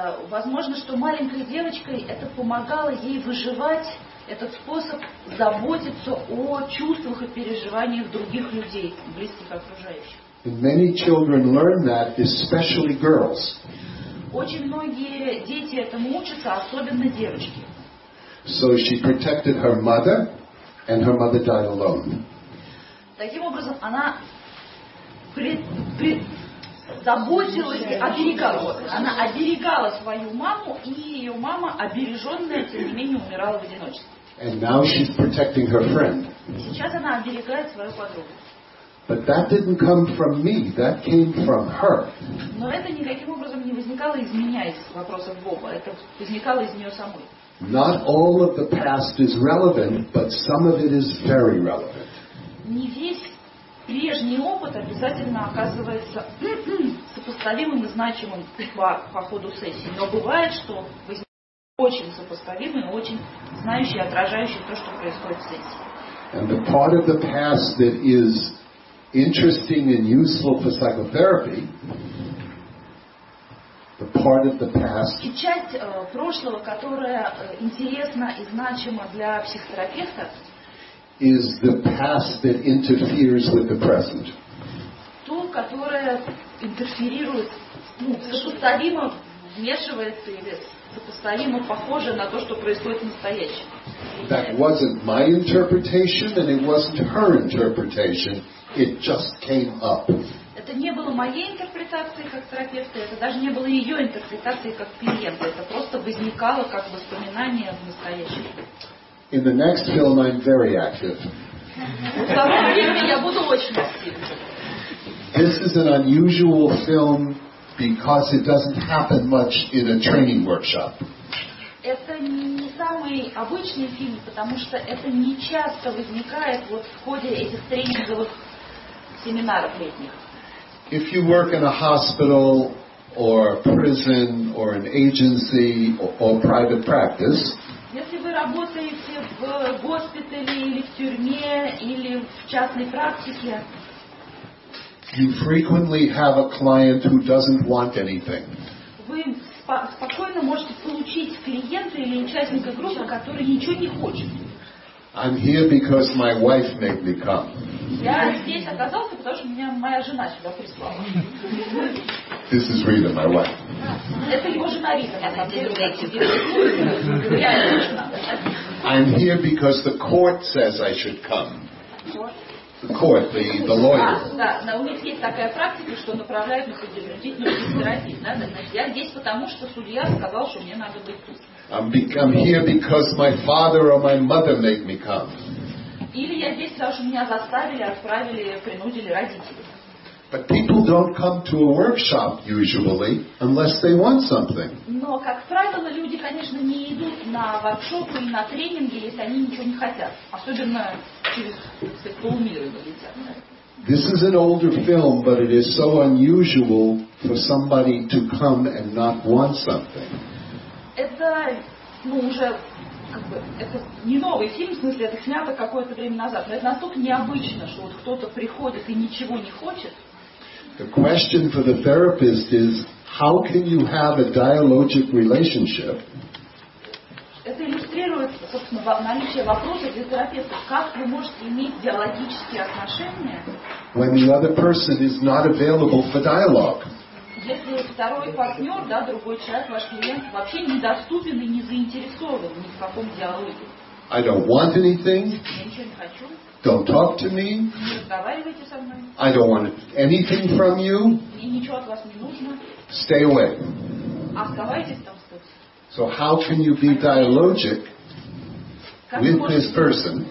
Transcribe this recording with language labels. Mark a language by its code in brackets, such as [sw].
[ru] Возможно, что маленькой девочкой это помогало ей выживать, этот способ заботиться о чувствах и переживаниях других людей, близких окружающих. [en] And many children learn that, especially girls. [ru] Очень многие дети этому учатся, особенно девочки. [en] So she protected her mother, and her mother died alone. [ru] Таким образом, она заботилась, оберегала. Она оберегала свою маму, и ее мама, обереженная, тем не менее, умирала в одиночестве. [en] And now she's protecting her friend. [ru] Сейчас она оберегает свою подругу. [en] But that didn't come from me, that came from her. [ru] Но это никаким образом не возникало из меня, из вопросов Боба. Это возникало из нее самой. [en] Not all of the past is relevant, but some of it is very relevant. [ru] Не весь прежний опыт обязательно оказывается сопоставимым и значимым по ходу сессии. Но бывает, что возникает очень сопоставимый, очень знающий, отражающий то, что происходит в сессии. [en] And the part of the past that is interesting and useful for psychotherapy, the part of the past, [ru] и часть прошлого, которая интересна и значима для психотерапевта, [en] is the past that interferes with the present. [ru] То, которое интерферирует, сопоставимо вмешивается или сопоставимо похоже на то, что происходит в настоящем. [en] That wasn't my interpretation, and it wasn't her interpretation. It just came up. [ru] Это не было моей интерпретацией как терапевта, это даже не было ее интерпретацией как клиента. Это просто возникало как воспоминание в настоящем. [en] In the next film, I'm very active. [ru] В втором фильме я буду очень активна. [en] This is an unusual film because it doesn't happen much in a training workshop. [ru] Это не самый обычный фильм, потому что это не часто возникает вот в ходе этих тренинговых семинаров летних. [en] If you work in a hospital or a prison or an agency or private practice, [ru] если вы работаете в госпитале или в тюрьме или в частной практике, [en] you frequently have a client who doesn't want anything. [ru] Вы спокойно можете получить клиента или участника группы, который ничего не хочет. [en] I'm here because my wife made me come. [ru] Я здесь оказался, потому что меня моя жена сюда прислала. [en] This is Rita, my wife. [ru] Это его жена Рита, на самом деле. Реально жена. [en] I'm here because the court says I should come. The court, the lawyer. [ru] Да, у них есть такая практика, что направляют на предупредительную экспертизу. Я здесь потому, что судья сказал, что мне надо быть тут. [en] I'm here because my father or my mother made me come. [ru] Или я здесь, потому что меня заставили, отправили, принудили родители. [en] But people don't come to a workshop usually unless they want something. [ru] Но, как правило, люди, конечно, не идут на воркшоп или на тренинги, если они ничего не хотят. Особенно через сексуальный мир. [en] This is an older film, but it is so unusual for somebody to come and not want something. [ru] Это, уже как бы, это не новый фильм, в смысле, это снято какое-то время назад. Но это настолько необычно, что вот кто-то приходит и ничего не хочет. [en] The question for the therapist is, how can you have a dialogic relationship? [ru] Это иллюстрирует, собственно, наличие вопроса для терапевта. Как вы можете иметь диалогические отношения? [en] When the other person is not available for dialogue. [ru] Если второй партнер, да, другой человек, ваш клиент, вообще недоступен и не заинтересован ни в каком диалоге. [en] I don't want anything. [ru] Я ничего не хочу. [en] Don't talk to me. [ru] Не разговаривайте со мной. [en] I don't want anything from you. [ru] Мне ничего от вас не нужно. [en] Стой away. [ru] Оставайтесь там. [en] So how can you be dialogic with this person?